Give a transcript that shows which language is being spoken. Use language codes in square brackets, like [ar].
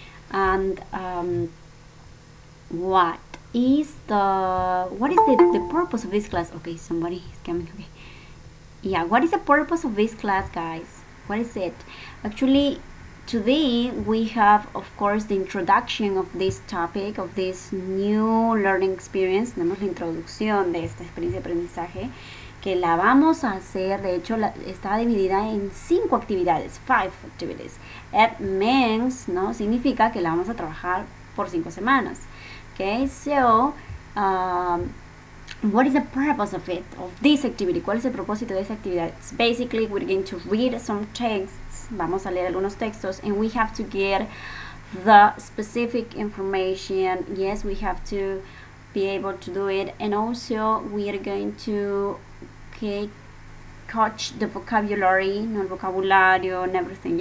[en] And what is the purpose of this class? Okay, somebody is coming. Okay, yeah, what is the purpose of this class, guys? What is it? Actually, today we have, of course, the introduction of this topic, of this new learning experience. [es] Tenemos la introducción de esta experiencia de aprendizaje que la vamos a hacer. De hecho, está dividida en cinco actividades. [en] Five activities. It means, [es] ¿no? Significa que la vamos a trabajar por 5 semanas. [en] Okay, so, what is the purpose of it, of this activity? [es] ¿Cuál es el propósito de esta actividad? [en] It's basically, we're going to read some texts. [es] Vamos a leer algunos textos. [en] And we have to get the specific information. Yes, we have to be able to do it. And also, we are going to, okay, catch the vocabulary, no, [es] el vocabulario [en] and everything.